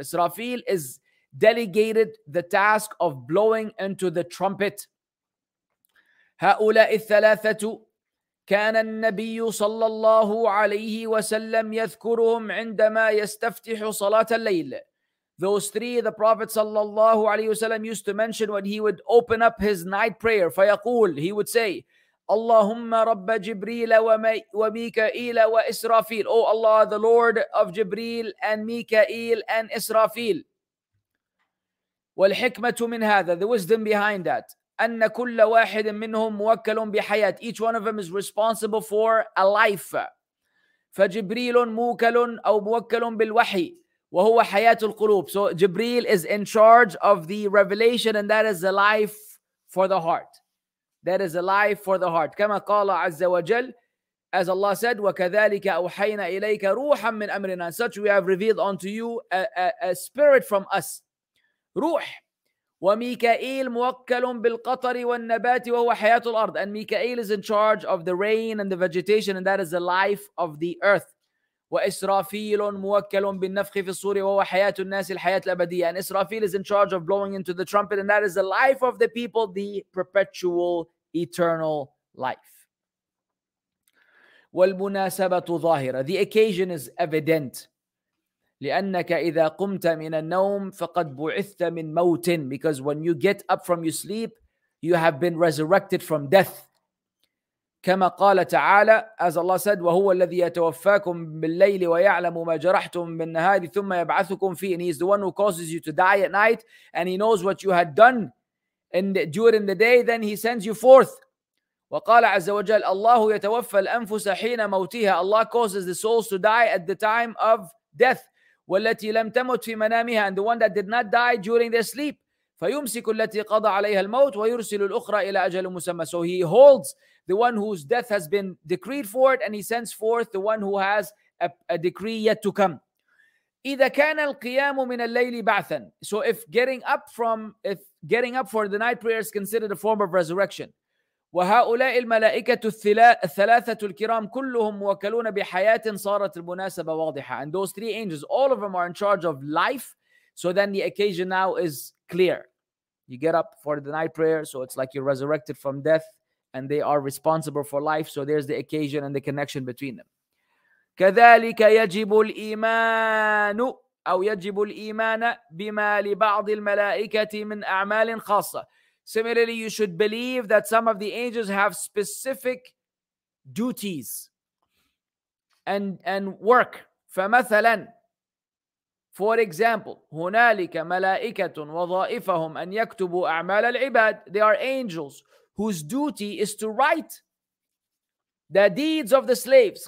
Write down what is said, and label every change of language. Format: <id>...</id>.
<en>إسرافيل is delegated the task of blowing into the trumpet.</en> <ar>هؤلاء الثلاثة كان النبي صلى الله عليه وسلم يذكرهم عندما يستفتح صلاة الليل.</ar> <en>Those three, the Prophet sallallahu alayhi wasallam used to mention when he would open up his night prayer.</en> <ar>فيقول,</ar> <en>he would say,</en> <ar>Allahumma rabba Jibreel wa Mikael wa Israfil.</ar> <en>Oh Allah, the Lord of Jibreel and Mikael and Israfil.</en> <ar>والحكمة من هذا,</ar> <en>the wisdom behind that.</en> <ar>أن كل واحد منهم موكل بحياة.</ar> <en>Each one of them is responsible for a life.</en> <ar>فجبريل موكل أو موكل بالوحي. وهو حياة القلوب.</ar> <en>So Jibreel is in charge of the revelation and that is the life for the heart. That is the life for the heart.</en> <ar>كما قال عز وجل</ar> <en>as Allah said</en> <ar>وكذلك أوحينا إليك روحا من أمرنا</ar> <en>and such we have revealed unto you a spirit from us.</en> <ar>روح وميكائيل موكل بالقطر والنبات وهو حياة الأرض</ar> <en>and Mikael is in charge of the rain and the vegetation and that is the life of the earth.</en> <ar>وإسرافيل موكل بالنفخ في الصور وهو حياة الناس الحياة الأبدية.</ar> <en>And Israfil is in charge of blowing into the trumpet and that is the life of the people, the perpetual eternal life.</en> <ar>والمناسبة ظاهرة.</ar> <en>The occasion is evident.</en> <ar>لأنك إذا قمت من النوم فقد بعثت من موت.</ar> <en>Because when you get up from your sleep, you have been resurrected from death.</en> <ar>كما قال تعالى</ar> <en>as Allah said</en> <ar>وهو الذي يتوفاكم بالليل ويعلم ما جرحتم بالنهار ثم يبعثكم فيه</ar> <en>and he is the one who causes you to die at night and he knows what you had done in the, during the day then he sends you forth</en> <ar>وقال عز وجل الله يتوفى الأنفس حين موتها</ar> <en>Allah causes the souls to die at the time of death</en> <ar>والتي لم تمت في منامها</ar> <en>and the one that did not die during their sleep</en> <ar>فيمسك التي قضى عليها الموت ويرسل الأخرى إلى أجل مسمى</ar> <en>so he holds The one whose death has been decreed for it, and he sends forth the one who has a decree yet to come.</en> <ar>إذا كان القيام من الليل بعثا.</ar> <en>So if getting up for the night prayer is considered a form of resurrection.</en> <ar>وهؤلاء الملائكة الثلاثة الكرام كلهم موكلون بحياة صارت المناسبة واضحة.</ar> <en>And those three angels, all of them are in charge of life. So then the occasion now is clear. You get up for the night prayer, so it's like you're resurrected from death. And they are responsible for life, so there's the occasion and the connection between them.</en> <ar>كذلك يجب الإيمان أو يجب الإيمان بما لبعض الملائكة من أعمال خاصة.</ar> <en>Similarly, you should believe that some of the angels have specific duties and work.</en> <ar>فمثلا,</ar> <en>for example,</en> <ar>هنالك ملائكة وظائفهم أن يكتبوا أعمال العباد.</ar> <en>They are angels. Whose duty is to write the deeds of the slaves.</en>